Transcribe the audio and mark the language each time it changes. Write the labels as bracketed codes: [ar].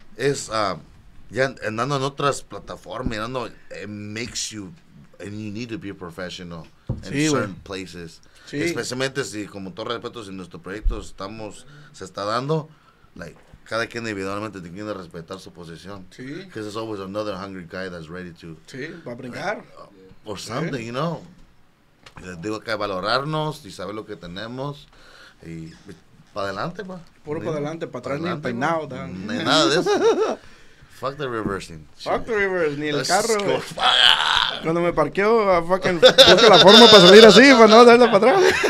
[en] es ya andando en otras plataformas, andando, it makes you and you need to be a professional in certain places. Sí. [es] Especialmente si, como todo respeto, si nuestro proyecto estamos, se está dando, like, cada quien individualmente tiene que respetar su posición. Sí. [en] Because there's always another hungry guy that's ready to. [es] Sí, va a brincar. [en] Or something, you know. [es] Les digo que valorarnos y saber lo que tenemos. Y para adelante, pa. Puro para adelante, para atrás, ni el peinado, Dan. Ni nada de eso. Fuck the reversing. Fuck the reverse, ni el carro. Cuando me parqueo, fucking busco la forma para salir así, para no darle para atrás.